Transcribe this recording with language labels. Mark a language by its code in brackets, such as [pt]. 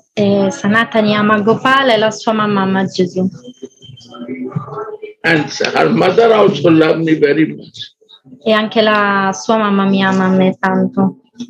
[it] e Sanatani ama Gopal e la sua mamma ama Gesù. [en] And her mother also loves me very much. [it] E anche la sua mamma mi ama a me tanto.